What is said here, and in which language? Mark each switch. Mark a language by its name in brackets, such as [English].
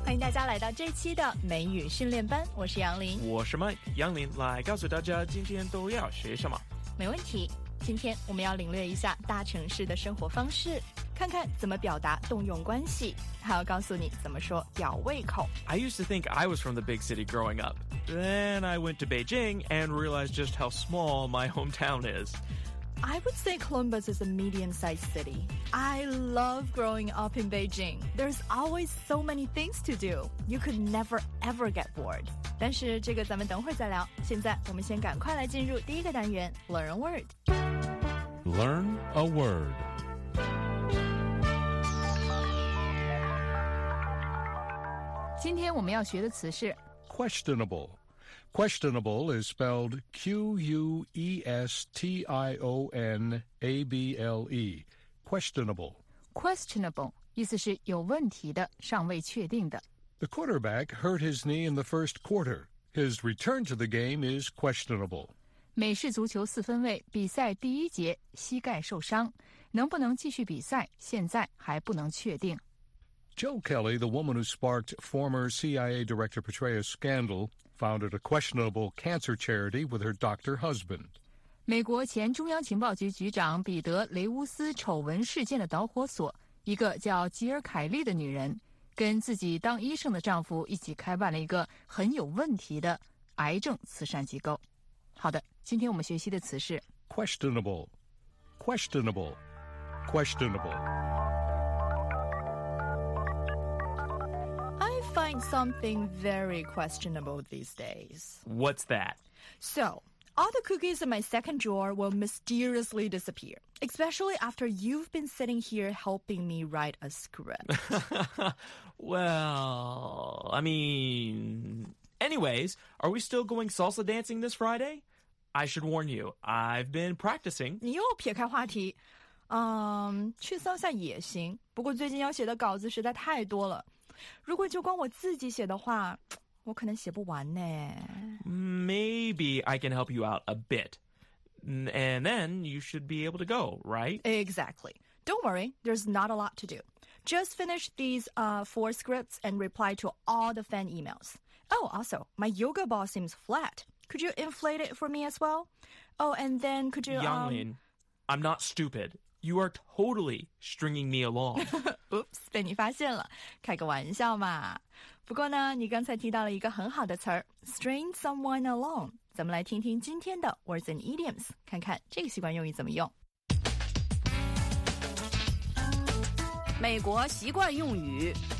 [Chinese] 家来到这期的美语训练班，我是杨林。我是麦杨林，来告诉大家今天都要学什么。没问题，今天我们要领略一下大城市的生活方式，看看怎么表达动用关系，还要告诉你怎么说吊胃口。 [English] I used to think I was from the big city growing up. Then I went to Beijing and realized just how small my hometown is. I would say Columbus is a medium-sized city. I love growing up in Beijing. There's always so many things to do. You could never ever get bored. [Chinese] 但是这个咱们等会儿再聊，现在我们先赶快来进入第一个单元 [English] Learn a Word. Learn a Word. [Chinese] 今天我们要学的词是 [English] questionable. Questionable is spelled Q-U-E-S-T-I-O-N-A-B-L-E. Questionable. [Chinese] Questionable 意思是有问题的，尚未确定的。 [English] The quarterback hurt his knee in the first quarter. His return to the game is questionable. [Chinese] 美式足球四分卫比赛第一节膝盖受伤，能不能继续比赛，现在还不能确定。 [English] Jill Kelly, the woman who sparked former CIA Director Petraeus' scandal, founded a questionable cancer charity with her doctor husband. [Chinese] 美国前中央情报局局长彼得·雷乌斯丑闻事件的导火索，一个叫吉尔·凯利的女人，跟自己当医生的丈夫一起开办了一个很有问题的癌症慈善机构。好的，今天我们学习的词是 [English] questionable, questionable, questionable. Find something very questionable these days. What's that? So, all the cookies in my second drawer will mysteriously disappear, especially after you've been sitting here helping me write a script. Well, I mean, anyways, are we still going salsa dancing this Friday? I should warn you, I've been practicing. [Chinese] 你又撇开话题。去搜下也行，不过最近要写的稿子实在太多了，如果就光我自己写的话，我可能写不完呢。 [English] Maybe I can help you out a bit. And then you should be able to go, right? Exactly. Don't worry, there's not a lot to do. Just finish these four scripts and reply to all the fan emails. Oh, also, my yoga ball seems flat. Could you inflate it for me as well? Oh, and then could you... Yanglin, I'm not stupid. You are totally stringing me along. Oops, [Chinese] 被你发现了，开个玩笑嘛。不过呢，你刚才提到了一个很好的词儿 , [English] string someone along. [Chinese] 咱们来听听今天的 [English] words and idioms, [Chinese] 看看这个习惯用语怎么用。美国习惯用语